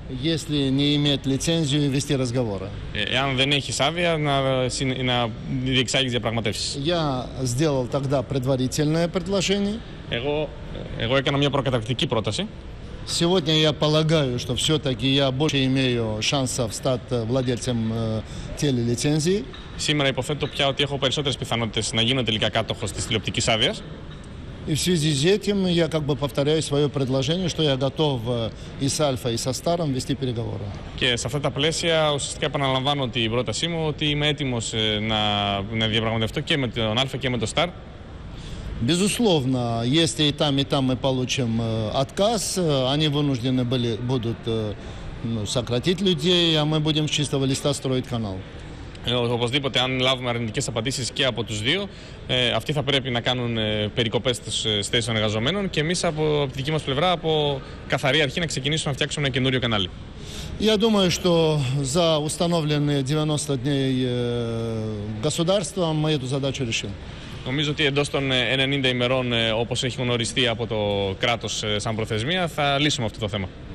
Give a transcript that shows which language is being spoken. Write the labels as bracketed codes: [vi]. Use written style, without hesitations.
[ru] Если не имеет лицензию вести разговоры. [el] Εάν δεν έχεις άδεια να διεξάγεις διαπραγματεύσεις. [ru] Я сделал тогда предварительное предложение. [el] Εγώ έκανα μια προκαταρκτική πρόταση. [ru] Сегодня я полагаю, что все-таки я больше имею шансов стать владельцем телелицензии. [el] Σήμερα υποθέτω πια ότι έχω περισσότερες πιθανότητες να γίνω τελικά κάτοχος της τηλεοπτικής άδειας. [ru] И в связи с этим я как бы повторяю свое предложение, что я готов и с Альфа, и со Старом вести переговоры. [el] Και σε αυτά τα πλαίσια ουσιαστικά επαναλαμβάνω την πρότασή μου, ότι είμαι έτοιμος να διαπραγματευτώ και με τον Альфа και με τον Стар. [ru] Безусловно, если и там мы получим отказ, они вынуждены будут сократить людей, а мы будем с чистого листа строить канал. [el] Οπωσδήποτε, αν λάβουμε αρνητικές απαντήσεις και από τους δύο, αυτοί θα πρέπει να κάνουν περικοπές στις θέσεις των εργαζομένων και εμείς από τη δική μας πλευρά, από καθαρή αρχή, να ξεκινήσουμε να φτιάξουμε ένα καινούριο κανάλι. [ru] Я думаю, что за установленные 90 дней государства мы эту задачу решим. [el] Νομίζω ότι εντός των 90 ημερών, όπως έχει γνωριστεί από το κράτος σαν προθεσμία, θα λύσουμε αυτό το θέμα.